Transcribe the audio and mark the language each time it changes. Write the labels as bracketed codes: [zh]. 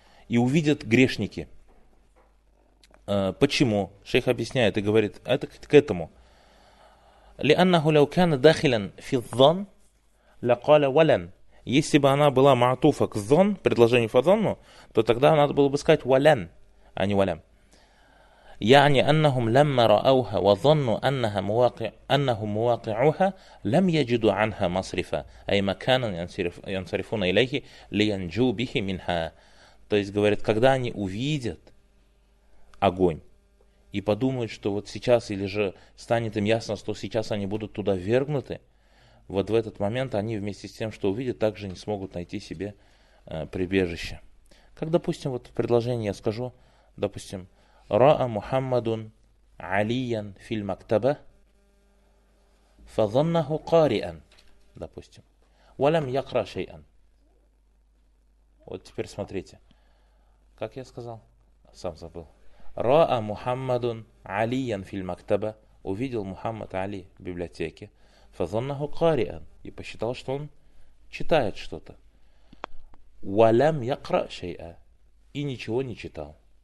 [ru] И увидят грешники. Почему? Шейх объясняет и говорит, это к этому. [ar] Ли аннаху ляу кана дахилан фи дзон, ля кала валян. [ru] Если бы она была ма'туфа к зон, предложению фазонну, то тогда надо было бы сказать валян, а не валям. [ar] يعني أنهم لما رأوها وظنوا أنها مواقع أنهم مواقعها لم يجدوا عنها مصرفا أي مكانا ينصرفون إليه لينجو به منها. [ru] То есть говорит, когда они увидят огонь и подумают, что вот сейчас или же станет им ясно, что сейчас они будут туда ввергнуты, вот в этот момент они вместе с тем, что увидят, также не смогут найти себе прибежище. Как, допустим, вот в предложении я скажу, допустим, [ar] رأى محمد عليا في المكتبة فظنه قارئا [ru] допустим [ar] ولم يقرأ شيئا. [ru] Вот теперь смотрите, как я сказал, сам забыл. [ar] رأى محمد عليا في المكتبة, [ru] увидел Мухаммад Али в библиотеке, [ar] فظنه قارئا, [ru] и посчитал, что он читает что-то, [ar] ولم يقرأ شيئا, [ru] и ничего не читал.